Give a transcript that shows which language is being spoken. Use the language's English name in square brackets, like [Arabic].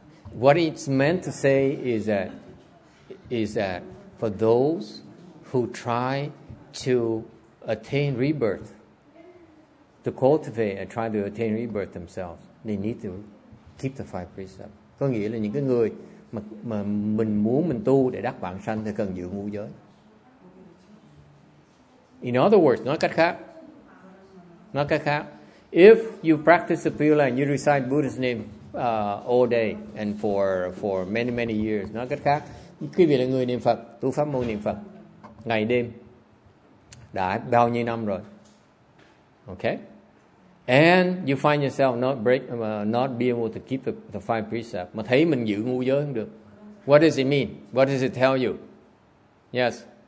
[English] What it's meant to say is that for those who try to attain rebirth, to cultivate and try to attain rebirth themselves, they need to keep the five precepts. [Vietnamese] Có nghĩa là những cái người mà mình muốn mình tu để đắc vãng sanh thì cần giữ ngũ giới. [English] In other words, [Vietnamese] nói cách khác, [English] if you practice the Pure Land, you recite Buddha's name all day and for many many years. [Vietnamese] Nói cách khác, quý vị là người niệm Phật, tu pháp môn niệm Phật ngày đêm đã bao nhiêu năm rồi, [English] okay, and you find yourself not being able to keep the five precepts, [Vietnamese] mà thấy mình giữ ngũ giới không được. [English] What does it mean? What does it tell you? Yes.